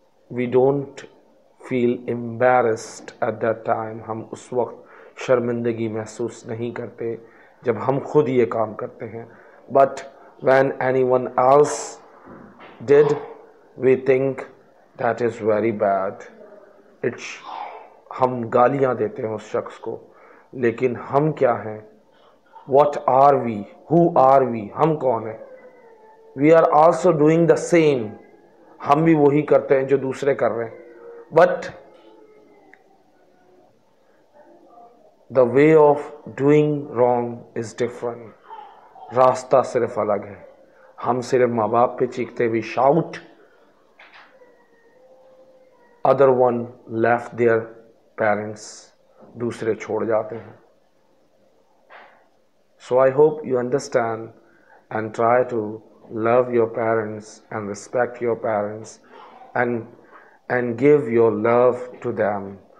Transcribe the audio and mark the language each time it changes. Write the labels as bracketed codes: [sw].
[en] we don't feel embarrassed at that time [hi] हम उस वक्त शर्मिंदगी महसूस नहीं करते जब हम खुद ये काम करते हैं [en] but when anyone else did we think that is very bad it's [hi] हम गालियां देते हैं उस शख्स को लेकिन हम क्या हैं [en] What are we? Who are we? [hi] हम कौन हैं [en] We are also doing the same. [hi] हम भी वही करते हैं जो दूसरे कर रहे हैं [en] But the way of doing wrong is different. [hi] रास्ता सिर्फ अलग है हम सिर्फ माँ बाप पे चीखते हैं [en] We shout. Other one left their parents. [hi] दूसरे छोड़ जाते हैं [en] So I hope you understand and try to love your parents and respect your parents and give your love to them.